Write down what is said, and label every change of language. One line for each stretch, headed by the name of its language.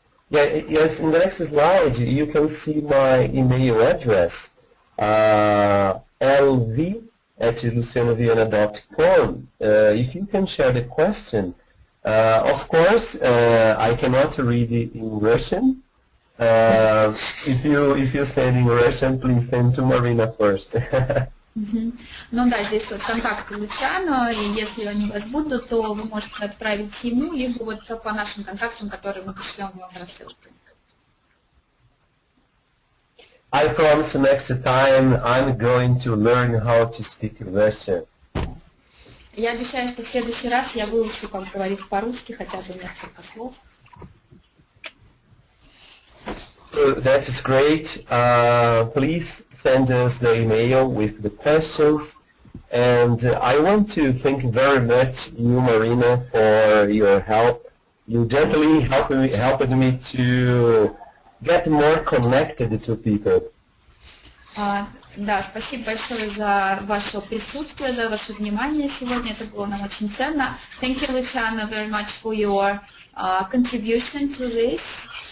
English: Yeah, yes, in the next slide, you can see my email address, lv@lucianoviana.com. If you can share the question, of course, I cannot read it in Russian. If you send in Russian, please send to Marina first.
Russian: Ну да, здесь вот контакты Лучано, и если они у вас будут, то вы можете отправить ему, либо вот по нашим контактам, которые мы пришлем вам в рассылку.
English: I promise next time I'm going to learn how to speak Russian.
Russian: Я обещаю, что в следующий раз я выучу как говорить по-русски хотя бы несколько слов.
English: That is great. Please send us the email with the questions. And I want to thank very much you, Marina, for your help. You definitely helped me to get more connected to people.
Russian: Да, спасибо большое за ваше присутствие, за ваше внимание сегодня. Это было нам очень ценно.
English: Thank you, Luciano, very much for your contribution to this.